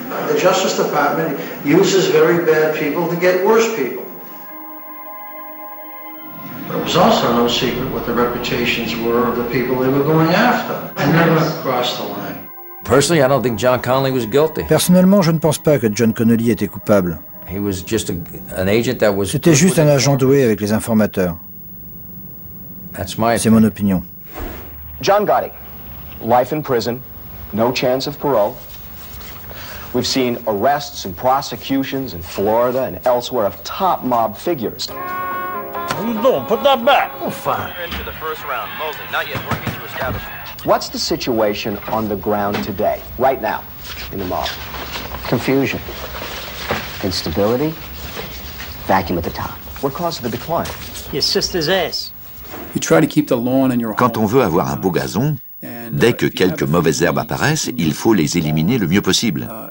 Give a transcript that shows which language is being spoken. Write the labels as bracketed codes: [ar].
[en] The Justice Department uses very bad people to get worse people. But it was also no secret what the reputations were of the people they were going after. I never crossed the line. Personally, I don't think John Connolly was guilty. [fr] Personnellement, je ne pense pas que John Connolly était coupable. C'était juste un agent doué avec les informateurs. C'est mon opinion. [en] John Gotti, life in prison, no chance of parole. We've seen arrests and prosecutions in Florida and elsewhere of top mob figures. What are you doing? Put that back. Oh, fine. You're into the first round. Mosley, not yet. Working to establish. What's the situation on the ground today, right now, in the mob? Confusion. Instability. Vacuum at the top. What caused the decline? Your sister's ass. You try to keep the lawn in your home. [fr] Quand on veut avoir un beau gazon, dès que quelques mauvaises herbes apparaissent, il faut les éliminer le mieux possible.